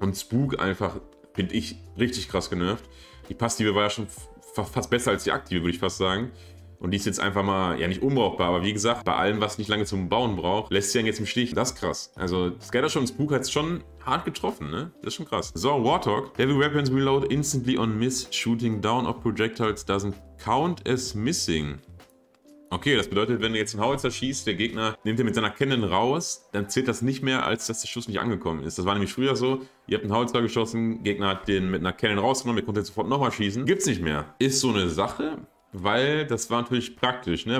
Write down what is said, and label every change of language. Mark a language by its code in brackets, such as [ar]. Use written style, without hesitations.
[de] Und Spook einfach, finde ich, richtig krass genervt. Die Passive war ja schon fast besser als die Aktive, würde ich fast sagen. Und die ist jetzt einfach mal, ja nicht unbrauchbar, aber wie gesagt, bei allem, was nicht lange zum Bauen braucht, lässt sie dann jetzt im Stich. Das ist krass. Also Scattershot und Spook hat es schon hart getroffen, ne? Das ist schon krass. So, Warthog. [en] Heavy weapons reload instantly on miss. Shooting down of projectiles doesn't count as missing. [de] Okay, das bedeutet, wenn du jetzt einen Howitzer schießt, der Gegner nimmt den mit seiner Cannon raus, dann zählt das nicht mehr, als dass der Schuss nicht angekommen ist. Das war nämlich früher so, ihr habt einen Howitzer geschossen, Gegner hat den mit einer Cannon rausgenommen, ihr konntet sofort nochmal schießen. Gibt's nicht mehr. Ist so eine Sache, weil das war natürlich praktisch, ne?